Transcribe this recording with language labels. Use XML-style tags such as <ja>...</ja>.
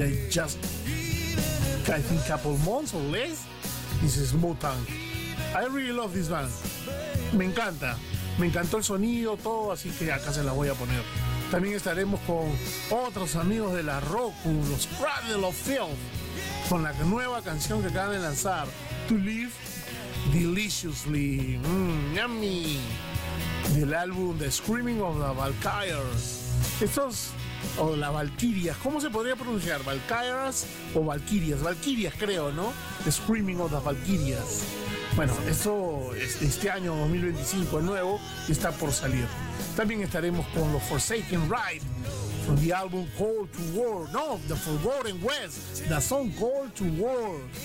<en>Just, I think, a couple months or less. This is Mutang. I really love this band.</en> <es>Me encanta. Me encantó el sonido, todo, así que acá se la voy a poner. También estaremos con otros amigos de la Rockum, los Cradle of Filth, con la nueva canción que acaban de lanzar, To Live Deliciously. Yummy. Del álbum The Screaming of the Valkyries. Estos, o las Valkyrias, ¿cómo se podría pronunciar? ¿Valkyries o Valkyrias? Valkyrias, creo, ¿no? The Screaming of the Valkyries. Bueno, esto este año 2025 es nuevo y está por salir. También estaremos con los Forsaken Ride</es> <en>from the album</en> <es>Call to War.</es> <en>No, The Forgotten West, the song Call to War.</en>